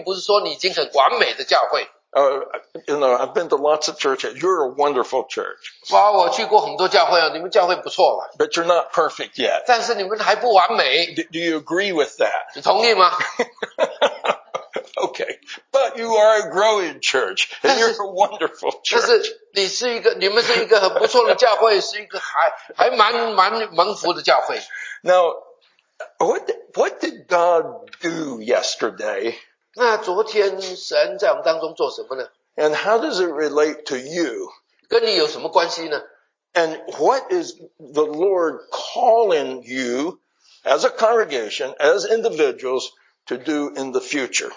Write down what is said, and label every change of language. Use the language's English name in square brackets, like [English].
[Chinese] 如果你是一个成长的教会，并不是说你已经很完美的教会。 [English] You know, I've been to lots of churches. You're a wonderful church. [Chinese] 我去过很多教会啊，你们教会不错了。 [English] But you're not perfect yet. [Chinese] 但是你们还不完美。 [English] Do you agree with that? [Chinese] 你同意吗？ [English] Okay, but you are a growing church, and you're a wonderful church. [Chinese] 但是你们是一个很不错的教会，是一个还蛮蒙福的教会。 [English] Now, what did God do yesterday? [Chinese] 那昨天神在我们当中做什么呢？ [English] And how does it relate to you? [Chinese] 跟你有什么关系呢？ [English] And what is the Lord calling you as a congregation, as individuals, to do in the future?